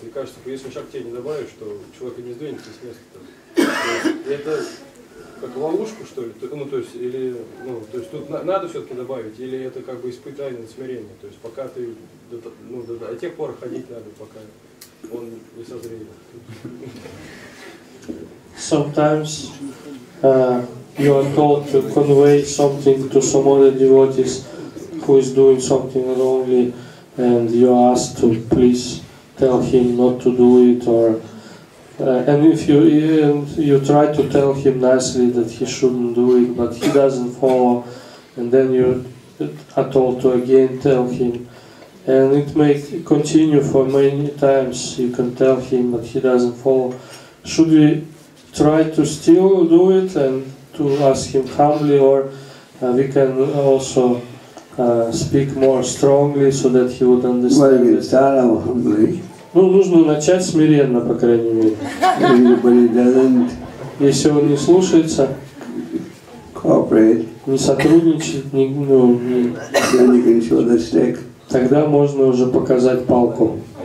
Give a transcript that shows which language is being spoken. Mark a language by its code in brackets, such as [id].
[ru] И кажется, если шаг тебе не добавишь, то человека не сдвинется с места. То есть, это как ловушку, что ли? Ну, то есть, или, ну, то есть тут надо все-таки добавить, или это как бы испытание смирения? То есть пока ты ну, до тех пор ходить надо, пока он не созреет. [en] Sometimes you are told to convey something to some other devotees who is doing something wrongly, and you ask to please tell him not to do it, or and if you you try to tell him nicely that he shouldn't do it, but he doesn't follow, and then you are told to again tell him, and it may continue for many times. You can tell him, but he doesn't follow. Should we try to still do it and to ask him humbly, or we can also speak more strongly so that he would understand? Well, start humbly. [ru] Ну, нужно начать смиренно, по крайней мере. [en] Anybody doesn't. [ru] Если он не слушается, [en] cooperate. [ru] Не сотрудничает, не, ну, не. [en] Then you can show the stick. [ru] Тогда можно уже показать палку.